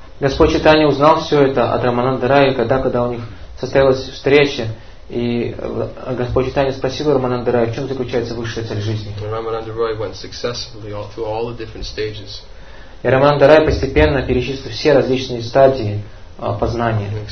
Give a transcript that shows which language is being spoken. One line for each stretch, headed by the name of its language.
Russian: Господь Чайтанья узнал все это от Рамананды Рая, когда у них состоялась встреча, и Господь Чайтанья спросил Рамананды Рая, в чем заключается высшая цель жизни.
English: Рамананда Рой went successfully all through all the different stages.
Russian: И Рамананда Рай постепенно перечислил все различные стадии познания.